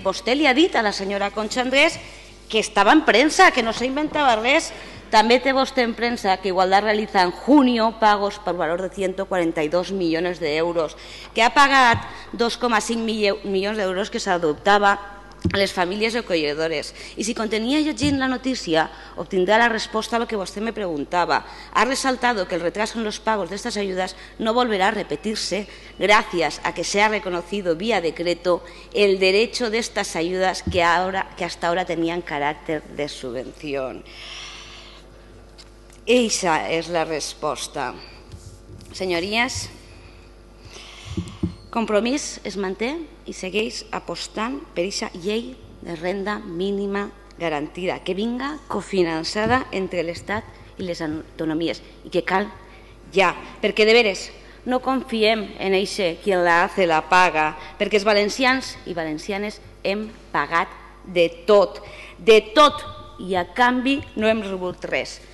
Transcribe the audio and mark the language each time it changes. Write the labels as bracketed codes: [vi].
[ca] Vostè li ha dit a la senyora Concha Andrés que estava en premsa, que no s'inventava res. També té vostè en premsa que Igualdad realitza en junio pagos per valor de 142 milions d'euros, que ha pagat 2,5 milions d'euros que s'adoptava a les famílies acollidores. I si contenia llegint la notícia, obtindrà la resposta a lo que vostè me preguntava. [es] Ha resaltado que el retraso en los pagos de estas ayudas no volverá a repetirse gracias a que se ha reconocido vía decreto el derecho de estas ayudas que hasta ahora tenían carácter de subvención. Esa es la resposta. [ca] Señorías, Compromís es manté i segueix apostant per aquesta llei de renda mínima garantida, que vinga cofinançada entre l'Estat i les autonomies, i que cal ja, perquè de veres no confiem en eixe qui [es] la hace la paga, [ca] perquè els valencians i valencianes hem pagat de tot, i a canvi no hem rebut res.